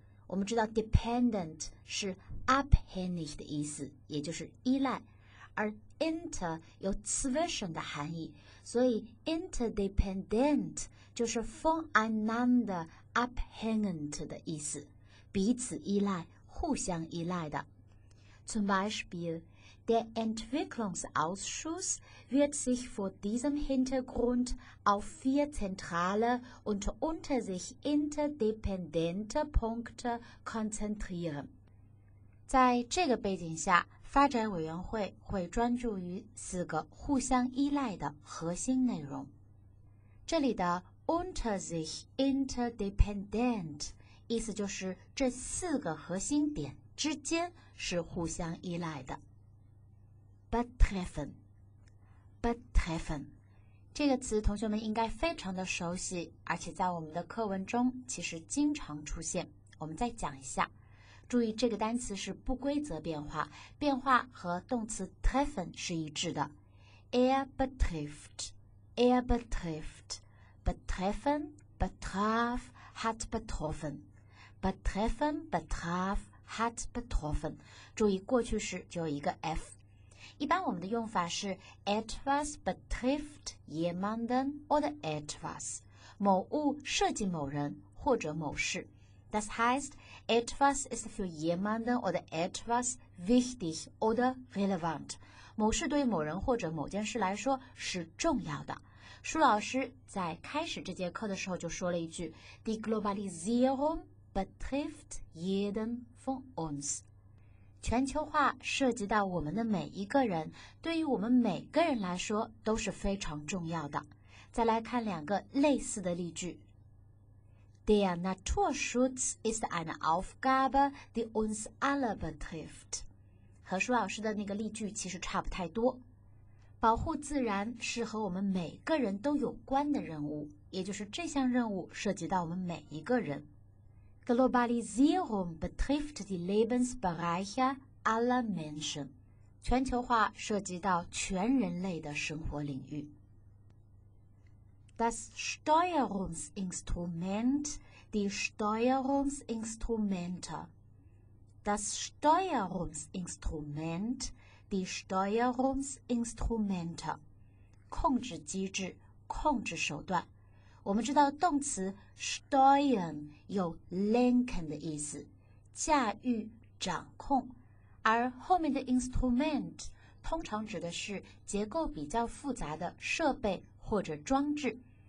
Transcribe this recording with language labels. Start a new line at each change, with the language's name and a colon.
Chinese: 我们知道 dependent 是 abhängig 的意思，也就是依赖，而 inter 有 zwischen 的含义，所以 interdependent 就是
German: voneinander abhängend
Chinese: 的意思，彼此依赖，互相依赖的。
German: Zum Beispiel, der Entwicklungsausschuss wird sich vor diesem Hintergrund auf vier zentrale und unter sich interdependente Punkte konzentrieren.
Chinese: 在这个背景下，发展委员会会专注于四个互相依赖的核心内容。这里的
German: unter sich interdependent
Chinese: 意思就是这四个核心点之间是互相依赖的。
German: Betreffen
Chinese: 这个词同学们应该非常的熟悉，而且在我们的课文中其实经常出现。我们再讲一下，注意这个单词是不规则变化，变化和动词 treffen 是一致的。
German: Betreffen hat betroffen
Chinese: 注意过去式只有一个 F。一般我们的用法是
German: etwas betrifft jemanden oder etwas，
Chinese: 某物涉及某人或者某事。
German: Das heißt, etwas ist für jemanden oder etwas wichtig oder relevant.
Chinese: 某事对某人或者某件事来说是重要的。舒老师在开始这节课的时候就说了一句
German: Die Globalisierung betrifft jeden von uns.
Chinese: 全球化涉及到我们的每一个人，对于我们每个人来说都是非常重要的。再来看两个类似的例句。
German: Der Naturschutz ist eine Aufgabe, die uns alle betrifft.
Chinese: 和舒老师的那个例句其实差不太多。保护自然是和我们每个人都有关的任务，也就是这项任务涉及到我们每一个人。
German: Globalisierung betrifft die Lebensbereiche aller Menschen.
Chinese: 全球化涉及到全人类的生活领域。
German: Das Steuerungsinstrument, die Steuerungsinstrumente. Das Steuerungsinstrument, die Steuerungsinstrumente.
Chinese: 控制机制，控制手段。我们知道动词 steuern 有 lenken 的意思，驾驭、掌控，而后面的 instrument 通常指的是结构比较复杂的设备或者装置。